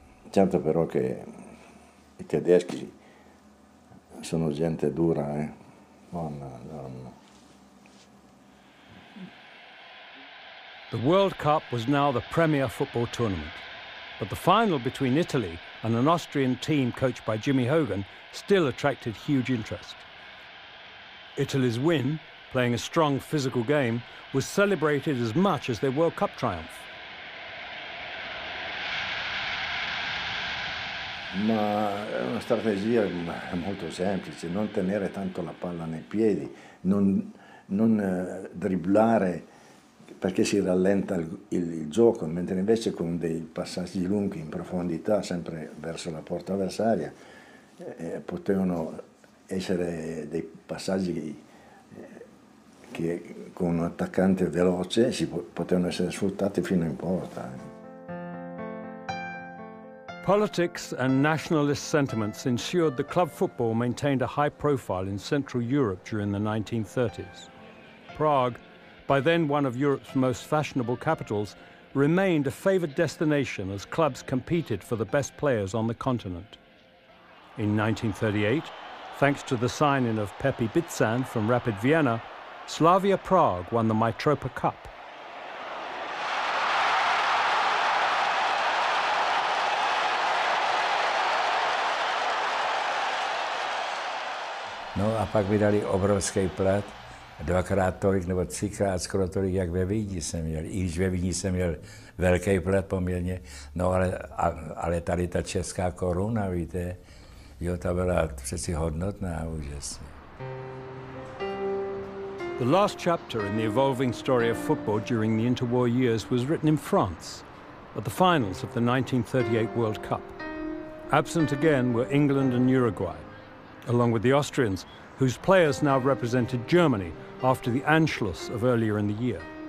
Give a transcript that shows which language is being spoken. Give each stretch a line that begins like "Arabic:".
Italian: Certo però che i tedeschi sono gente dura, eh. Madonna.
English: The World Cup was now the premier football tournament. But the final between Italy and an Austrian team coached by Jimmy Hogan still attracted huge interest. Italy's win, playing a strong physical game, was celebrated as much as their World Cup triumph.
Italian: Ma è una strategia molto semplice, non tenere tanto la palla nei piedi, non dribblare perché si rallenta il gioco, mentre invece con dei passaggi lunghi in profondità, sempre verso la porta avversaria, potevano essere dei passaggi che con un attaccante veloce si potevano essere sfruttati fino in porta.
English: Politics and nationalist sentiments ensured the club football maintained a high profile in Central Europe during the 1930s. Prague, by then one of Europe's most fashionable capitals, remained a favoured destination as clubs competed for the best players on the continent. In 1938, thanks to the signing of Pepi Bitsan from Rapid Vienna, Slavia Prague won the Mitropa Cup.
Czech: No a pak mi dali obrovský plat, dvakrát tolik nebo třikrát skoro tolik, jak ve Vídni jsem měl. I když ve Vídni jsem měl velký plat poměrně, no ale tady ta česká koruna, víte, jo, ta byla přeci hodnotná, úžasně.
English: The last chapter in the evolving story of football during the interwar years was written in France, at the finals of the 1938 World Cup. Absent again were England and Uruguay, along with the Austrians, whose players now represented Germany after the Anschluss of earlier in the year.